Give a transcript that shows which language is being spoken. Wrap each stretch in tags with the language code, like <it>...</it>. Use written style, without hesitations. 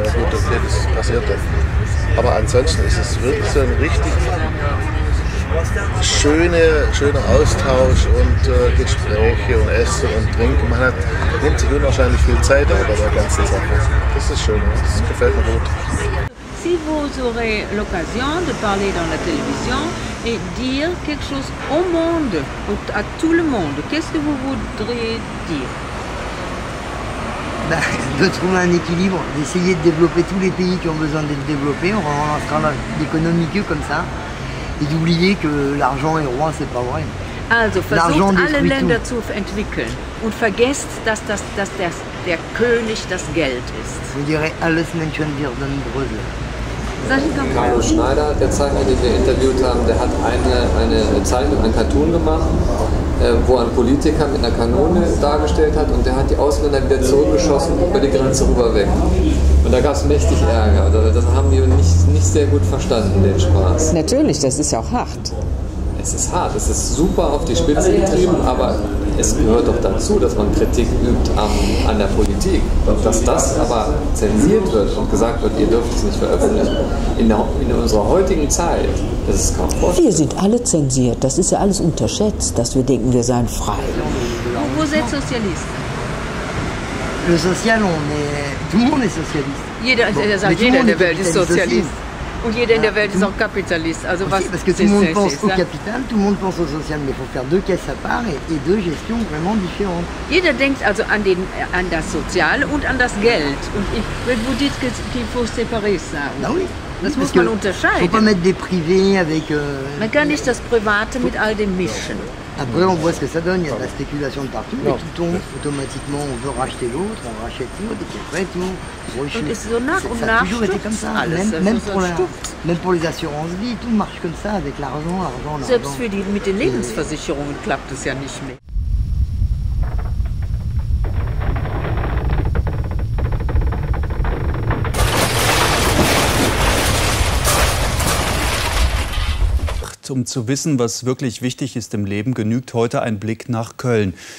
<de>Ja, gut, okay, das passiert dann. Aber ansonsten ist es wirklich so ein richtig... Schöner Austausch und Gespräche und Essen und Trinken. Nimmt sich unwahrscheinlich viel Zeit aber bei der ganzen Sache. Das ist schön, das gefällt mir gut.</de> <fr>Si vous aurez l'occasion de parler dans la télévision et dire quelque chose au monde und à tout le monde, qu'est-ce que vous voudriez dire? De trouver un équilibre, d'essayer de développer tous les pays qui ont besoin d'être développés, on relancera l'économie que comme ça. Et d'oublier que l'argent est roi, c'est pas vrai.</fr> <de>Also versucht alle Länder zu entwickeln und vergesst, dass der König das Geld ist.</de> <fr>Je dirais</fr> <de>alles Menschen werden Brüssel. Carlo Schneider, der Zeichner, den wir interviewt haben, der hat eine Zeichnung, ein Cartoon gemacht, wo ein Politiker mit einer Kanone dargestellt hat und der hat die Ausländer wieder zurückgeschossen über die Grenze rüber weg. Und da gab es mächtig Ärger. Das haben wir nicht sehr gut verstanden, den Spaß. Natürlich, das ist ja auch hart. Es ist hart, es ist super auf die Spitze getrieben, aber es gehört doch dazu, dass man Kritik übt an der Politik. Dass das aber zensiert wird und gesagt wird, ihr dürft es nicht veröffentlichen, in unserer heutigen Zeit, das ist kaum vorstellbar. Wir sind alle zensiert, das ist ja alles unterschätzt, dass wir denken, wir seien frei. Wo sind Sozialisten?</de> <fr>Le Sozialon, tout le monde est Socialiste.</fr> <de>Jeder, der sagt, jeder in der Welt ist Sozialist. Und jeder in der Welt ist auch Kapitalist. Also was?</de> <fr>Parce que tout le monde pense au capital, tout le monde pense au social, mais il faut faire deux caisses à part et deux gestions vraiment différentes.</fr> <de>Jeder denkt also an das Soziale und an das Geld. Und ich würde</de> <fr>vous dire qu'il faut séparer ça. Na oui.</fr> <de>Das muss man unterscheiden.</de> <fr>Faut pas mettre des privés avec.</fr> <de>Man kann nicht das Private mit all dem mischen.</de> <fr>Après, on voit ce que ça donne. Il y a de la spéculation de partout. Et tout tombe automatiquement. On veut racheter l'autre, on rachète l'autre. Et puis après, tout. Même pour les assurances vie, tout marche comme ça avec l'argent, l'argent, l'argent.</fr> <de>Selbst für die, mit den Lebensversicherungen klappt es ja nicht mehr. Um zu wissen, was wirklich wichtig ist im Leben, genügt heute ein Blick nach Köln.</de>